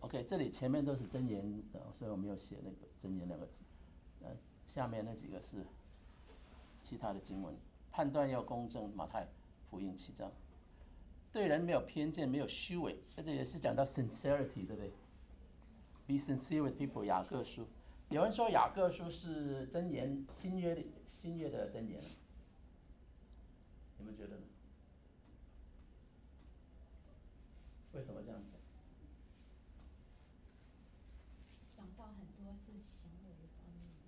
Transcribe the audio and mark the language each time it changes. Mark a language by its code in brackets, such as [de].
[zh] OK， 这里前面都是箴言的，所以我没有写那个箴言两个字，下面那几个是其他的经文。判断要公正，马太福音七章，对人没有偏见，没有虚伪，这也是讲到 sincerity， 对不对？ [en] Be sincere with people， 雅各书。 [zh] 有人说雅各书是箴言，新约的箴言，你们觉得呢？为什么这样子？讲到很多是行为方面，